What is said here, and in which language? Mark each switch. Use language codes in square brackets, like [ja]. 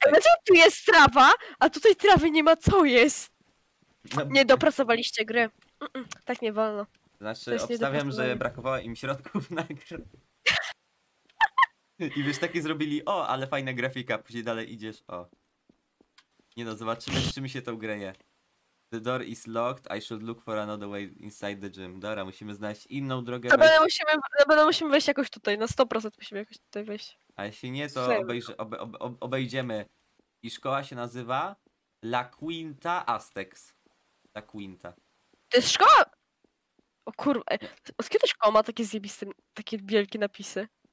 [pl] Dlaczego tu jest trawa, a tutaj trawy nie ma, co jest? Nie dopracowaliście gry. Tak nie wolno. Znaczy, obstawiam, że brakowało im środków na grę. I wiesz, takie zrobili, o, ale fajna grafika, później dalej idziesz, o. Nie no, zobaczymy, z czym się tą greje. [en] The door is locked, I should look for another way inside the gym. [pl] Dobra, musimy znaleźć inną drogę. Musimy wejść jakoś tutaj, na 100% musimy jakoś tutaj wejść. A jeśli nie, to obejdziemy. I szkoła się nazywa La Quinta Aztecs. La Quinta. To jest szkoła? O kurwa, od kiedy szkoła ma takie zjebiste, takie wielkie napisy?